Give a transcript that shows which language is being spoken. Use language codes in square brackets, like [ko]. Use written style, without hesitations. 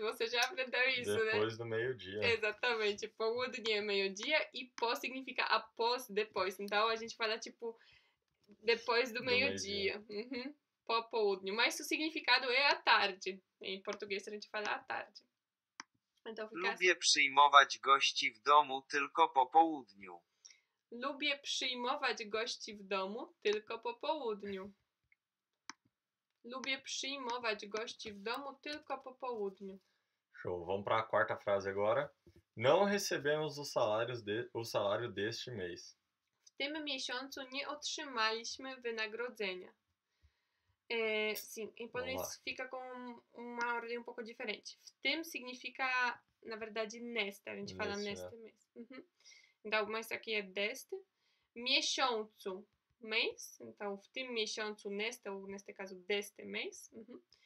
[pt] Você já aprendeu isso, depois né? Depois do meio-dia. Exatamente, popołudniu é meio-dia e po significa após, depois. Então a gente fala tipo, depois do meio-dia. Uhum. Popołudniu, mas o significado é à tarde. Em português a gente fala à tarde. [pl] Lubię przyjmować gości w domu tylko po południu. Lubię przyjmować gości w domu tylko po południu. Lubię przyjmować gości w domu tylko po południu. [pt] Show. Vamos para a quarta frase agora. Não recebemos o salário deste mês. [pl] W tym miesiącu nie otrzymaliśmy wynagrodzenia. [pt] É, sim, em polonês fica com uma ordem um pouco diferente. W tym significa, na verdade, nesta. A gente fala neste mês. Uhum. Então, mas aqui é deste. Miesiącu, mês. Então, [pl] w tym miesiącu, [pt] nesta, ou neste caso, deste mês. Uhum.